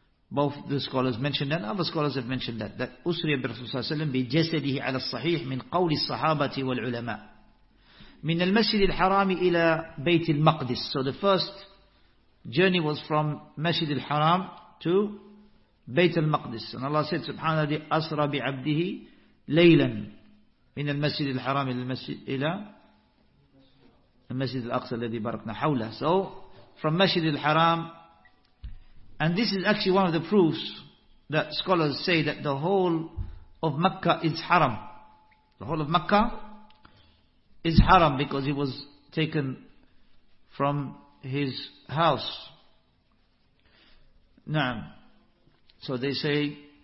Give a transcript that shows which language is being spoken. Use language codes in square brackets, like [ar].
[en] Both the scholars mentioned that, and other scholars have mentioned that. [ar] That أُسْرِيَ بِرَسُولِ صَلَى اللَّهِ وَسَلَّمْ بِجَسَدِهِ عَلَى الصَّحِيحِ مِنْ قَوْلِ الصَّحَابَةِ وَالْعُلَمَاءِ من المسجد الحرام إلى بيت المقدس. [en] So the first journey was from Masjid al-Haram to Bayt al-Maqdis. And Allah said, [ar] سبحانه الذي أسرى بعبده ليلا من المسجد الحرام إلى المسجد الأقصى الذي باركنا حوله. [en] So from Masjid al-Haram, and this is actually one of the proofs that scholars say that the whole of Mecca is Haram. The whole of Mecca is haram because he was taken from his house. Naam. So they say